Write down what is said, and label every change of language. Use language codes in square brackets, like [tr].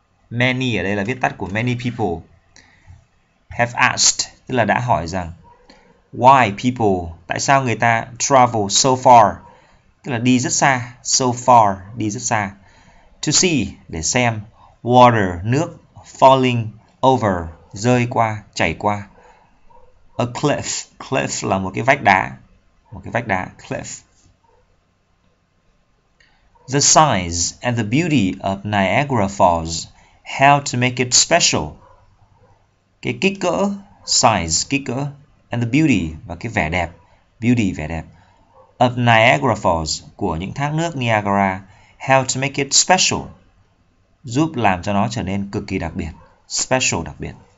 [vi] Many ở đây là viết tắt của [en] many people. Have asked, [vi] tức là đã hỏi rằng [en] why people, [vi] tại sao người ta [en] travel so far, [vi] tức là đi rất xa, [en] so far, [vi] đi rất xa, [en] to see, [vi] để xem, water, nước, [en] falling over, [vi] rơi qua, chảy qua, [en] a cliff, [vi] cliff là một cái vách đá, cliff. [en] The size and the beauty of Niagara Falls help to make it special, [vi] cái kích cỡ, size, kích cỡ, [en] and the beauty, [vi] và cái vẻ đẹp, beauty, vẻ đẹp, [en] of Niagara Falls, [vi] của những thác nước Niagara, [en] help to make it special, [vi] giúp làm cho nó trở nên cực kỳ đặc biệt, special, đặc biệt.